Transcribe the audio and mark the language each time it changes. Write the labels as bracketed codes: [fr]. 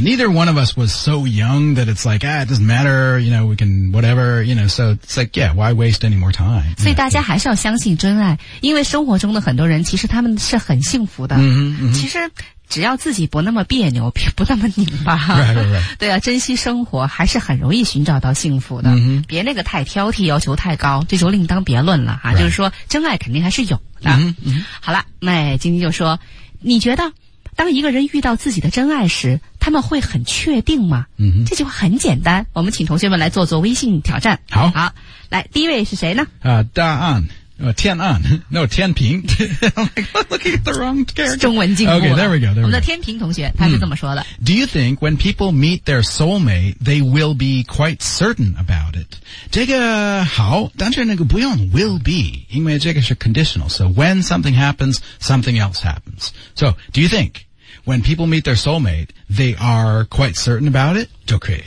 [en] Neither one of us was so young that it's like, it doesn't matter. You know, we can whatever, you know, so it's like, yeah, why waste any more time? [zh] 所以大家还是要相信真爱，因为生活中的很多人其实他们是很幸福的。嗯、mm-hmm, mm-hmm. 其实只要自己不那么别扭，不那么拧巴。 [en] right, right, right. [zh] 对啊，珍惜生活还是很容易寻找到幸福的。嗯、mm-hmm. 别那个太挑剔，要求太高，这就另当别论了啊。 [en] Right. [zh] 就是说真爱肯定还是有的。嗯、mm-hmm. 好了，那今天就说。你觉得当一个人遇到自己的真爱时他们会很确定吗、 mm-hmm. 这句话很简单我们请同学们来做做微信挑战好好，来第一位是谁呢答案 [en] Tian'an. No, Tianping. I'm like, looking at the wrong character. [zh] 中文进步了。 [en] Okay, there we go. [zh] 我们的天平同学他是这么说的。 [en] Do you think when people meet their soulmate, they will be quite certain about it? [zh] 这个好，但是那个不用 [en] will be, [zh] 因为这个是 conditional. [en] So when something happens, something else happens. So, do you think? When people meet their soulmate, they are quite certain about it, [zh] 就可以。